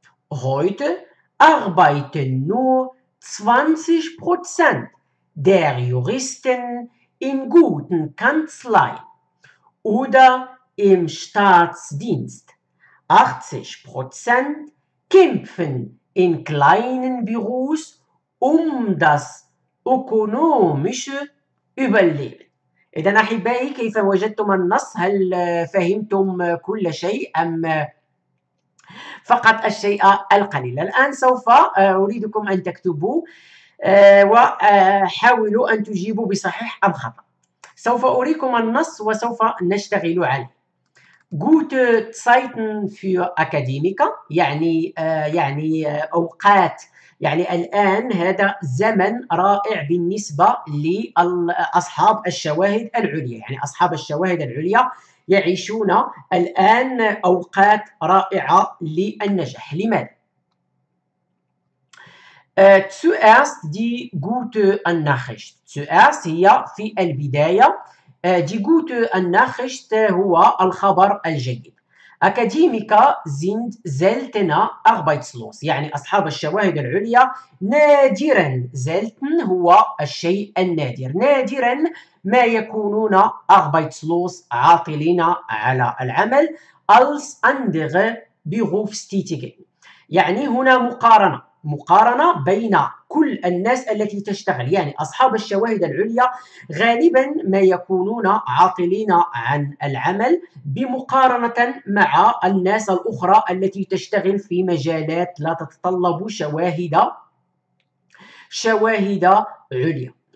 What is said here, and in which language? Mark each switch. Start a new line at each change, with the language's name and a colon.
German: Heute arbeiten nur 20% der Juristen in guten Kanzleien oder im Staatsdienst. 80% kämpfen in kleinen Büros um das ökonomische Überleben.
Arabic: إذن أحبائي، كيف وجدتم النص؟ هل فهمتم كل شيء أم فقط الشيء القليل؟ الآن سوف أريدكم أن تكتبوا وحاولوا أن تجيبوا بصحيح أم خطأ. سوف أريكم النص وسوف نشتغل عليه.
German: Gute Zeiten für Akademiker
Arabic: يعني أوقات، يعني الآن هذا زمن رائع بالنسبة لأصحاب الشواهد العليا، يعني أصحاب الشواهد العليا يعيشون الآن أوقات رائعة للنجاح. لماذا؟
German: Zuerst die gute Nachricht.
Arabic: Zuerst هي في البداية.
German: Die gute Nachricht
Arabic: هو الخبر الجيد.
German: Akademiker sind seltener arbeitslos.
Arabic: يعني أصحاب الشواهد العليا نادرا. Selten هو الشيء النادر. نادرا ما يكونون arbeitslos، عاطلين على العمل.
German: Als andere Berufstätigen.
Arabic: يعني هنا مقارنة. مقارنة بين كل الناس التي تشتغل، يعني أصحاب الشواهد العليا غالبا ما يكونون عاطلين عن العمل بمقارنة مع الناس الأخرى التي تشتغل في مجالات لا تتطلب شواهد عليا.